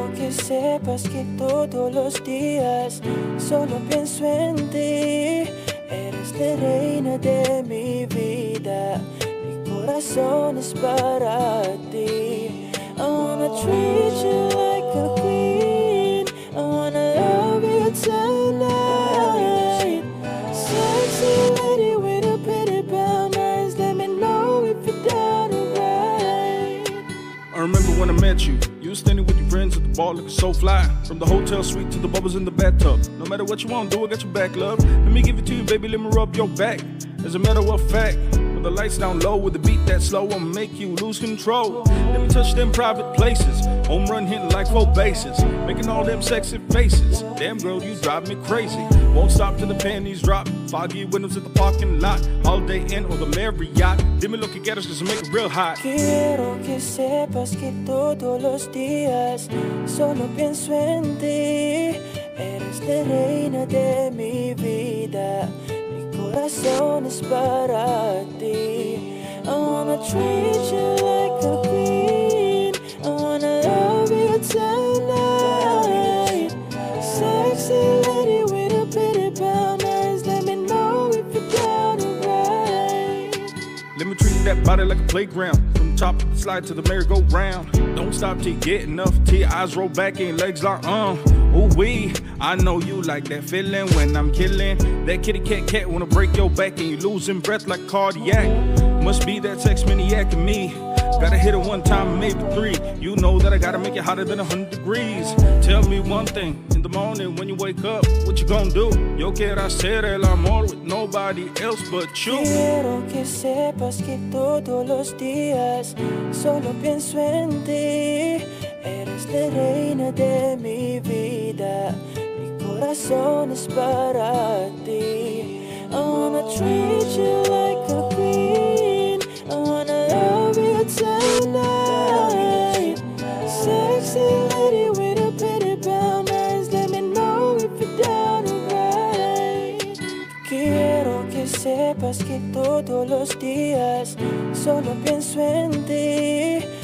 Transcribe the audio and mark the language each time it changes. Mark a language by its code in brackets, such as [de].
[es] sepas que todos los días solo pienso en ti. Eres la reina de mi vida, mi corazón es para ti. [en] I wanna treat you like a queen, I wanna love you tonight. Sexy lady with a pretty brown eyes, let me know if you're down to ride. I remember when I met you, you were standing with your friends at the bar looking so fly. From the hotel suite to the bubbles in the bathtub, no matter what you want to do, I got your back, love. Let me give it to you, baby, let me rub your back. As a matter of fact, with the lights down low, with the beat that slow, I'ma make you lose control. Let me touch them private places, home run hitting like four bases, making all them sexy faces. Damn girl, you drive me crazy. Won't stop till the panties drop, foggy windows at the parking lot, Holiday Inn or the Marriott. [es] Dime lo que quieres, [en] just make it real hot. [es] Quiero que sepas que todos los días solo pienso en ti. Eres la reina de mi vida, mi corazón es para ti. [en] I wanna treat you like a queen, I wanna love you tonight. Sexy lady with a pretty brown eyes, let me know if you're down to ride. Let me treat that body like a playground, top of the slide to the merry-go-round. Don't stop till you get enough tea. Eyes roll back and legs lock. Ooh-wee, I know you like that feeling when I'm killing. That kitty cat wanna break your back and you're losing breath like cardiac. Must be that sex maniac in me. Gotta hit it one time, maybe three. You know that I gotta make it hotter than 100 degrees. Tell me one thing, in the morning when you wake up, what you gonna do? [es] Yo quiero hacer el amor [en] with nobody else but you. [es] Quiero que sepas que todos los días solo pienso en ti. Eres la reina de mi vida, mi corazón es para ti. [en] I wanna treat you like a queen, I wanna love you tonight. Sexy lady with a pretty brown eyes, let me know if you're down to ride. [es] Quiero que sepas que todos los días solo pienso en ti.